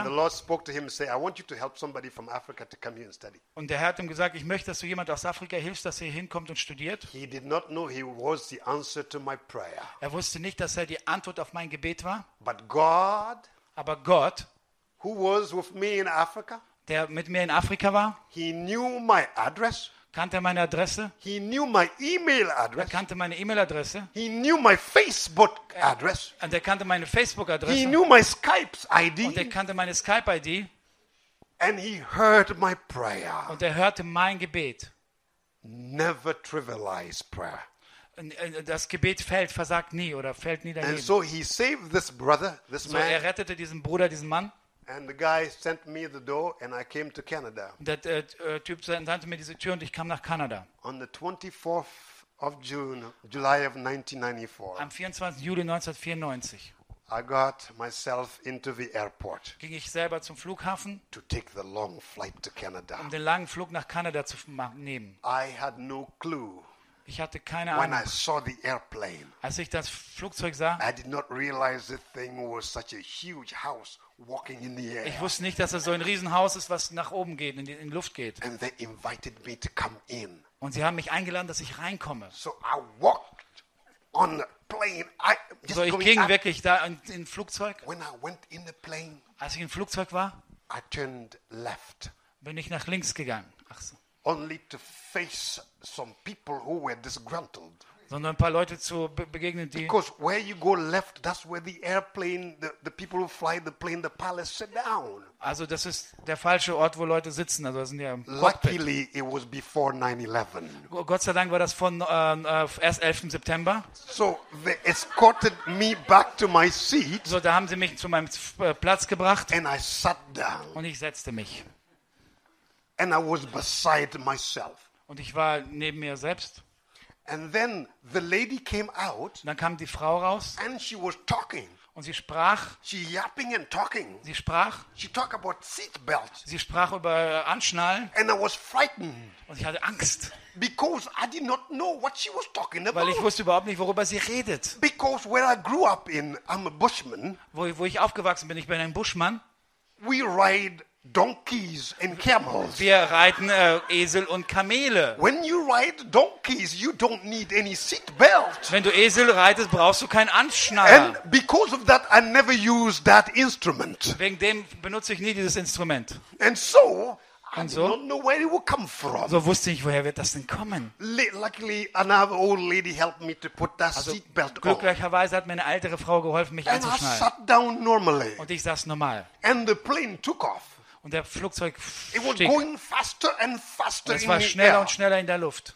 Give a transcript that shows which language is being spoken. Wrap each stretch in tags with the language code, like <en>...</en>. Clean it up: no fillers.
<en>And the Lord spoke to him and said, "I want you to help somebody from Africa to come here and study."</en> <de>Und der Herr hat ihm gesagt, ich möchte, dass du jemand aus Afrika hilfst, dass er hinkommt und studiert.</de> <en>He did not know he was the answer to my prayer.</en> <de>Er wusste nicht, dass er die Antwort auf mein Gebet war.</de> <en>But God,</en> <de>aber Gott,</de> <en>who was with me in Africa,</en> <de>der mit mir in Afrika war,</de> <en>he knew my address.</en> <de>Kannte meine Adresse?</de> <en>He knew my email address.</en> <de>Er kannte meine E-Mail-Adresse.</de> <en>He knew my Facebook address.</en> <de>Und er kannte meine Facebook-Adresse.</de> <en>He knew my Skype ID.</en> <de>Und er kannte meine Skype-ID.</de> <en>And he heard my prayer.</en> <de>Und er hörte mein Gebet.</de> <en>Never trivialize prayer.</en> <de>Das Gebet versagt nie oder fällt nie daneben.</de> <en>And so he saved this brother, this so man.</en> <de>Er rettete diesen Bruder, diesen Mann.</de> <en>And the guy sent me the door and I came to Canada.</en> <de>Der Typ sandte mir diese Tür und ich kam nach Kanada.</de> <en>On the 24th of July of 1994.</en> <de>Am 24. Juli 1994.</de> <en>I got myself into the airport.</en> <de>Ging ich selber zum Flughafen?</de> <en>To take the long flight to Canada.</en> <de>Um den langen Flug nach Kanada zu nehmen.</de> <en>I had no clue.</en> <de>Ich hatte keine Ahnung.</de> <en>When I saw the airplane.</en> <de>Als ich das Flugzeug sah.</de> <en>I did not realize the thing was such a huge house. walking in the air.</en> <de>Ich wusste nicht, dass das so ein Riesenhaus ist, was nach oben geht, in die Luft geht.</de> <en>And they invited me to come in.</en> <de>Und sie haben mich eingeladen, dass ich reinkomme.</de> <en>So I walked on the plane. I</en> <de>just so ich ging up. Wirklich da in Flugzeug.</de> <en>When I went in the plane,</en> <de>als ich im Flugzeug war,</de> <en>I turned left.</en> <de>Bin ich nach links gegangen. Ach so.</de> <en>Only to face some people who were disgruntled.</en> <de>Sondern ein paar Leute zu begegnen, die.</de> <en>Because where you go left, that's where the airplane, the people who fly the plane, the pilots sit down.</en> <de>Also das ist der falsche Ort, wo Leute sitzen. Also das sind ja im</de> <en>Cockpit. Luckily, it was before 9/11.</en> <de>Gott sei Dank war das von erst 11. September.</de> <en>So they escorted me back to my seat.</en> <de>So da haben sie mich zu meinem Platz gebracht.</de> <en>And I sat down.</en> <de>Und ich setzte mich.</de> <en>And I was beside myself.</en> <de>Und ich war neben mir selbst.</de> <en>And then the lady came out.</en> <de>Dann kam die Frau raus.</de> <en>And she was talking.</en> <de>Und sie sprach.</de> <en>She yapping and talking.</en> <de>Sie sprach.</de> <en>She talked about seat belt.</en> <de>Sie sprach über Anschnallen.</de> <en>And I was frightened.</en> <de>Und ich hatte Angst.</de> <en>Because I did not know what she was talking about.</en> <de>Weil ich wusste überhaupt nicht, worüber sie redet.</de> <en>Because where I grew up in, I'm a bushman.</en> <de>Wo ich aufgewachsen bin, ich bin ein Buschmann.</de> <en>We ride donkeys and camels.</en> <de>Wir reiten Esel und Kamele.</de> <en>When you ride donkeys, you don't need any seat belt.</en> <de>Wenn du Esel reitest, brauchst du keinen Anschnaller.</de> <en>And because of that, I never use that instrument.</en> <de>Wegen dem benutze ich nie dieses Instrument.</de> <en>And so,</en> <de>und so,</de> <en>I don't know where it will come from.</en> <de>So wusste ich, woher wird das denn kommen?</de> <en>Luckily, another old lady helped me to put that seat belt on.</en> <de>Glücklicherweise hat mir eine ältere Frau geholfen, mich anzuschnallen.</de> <en>And I sat down normally.</en> <de>Und ich saß normal.</de> <en>And the plane took off.</en> <de>Und der Flugzeug</de> <en>it was going faster and faster</en> <de>und es war schneller und schneller in der Luft.</de>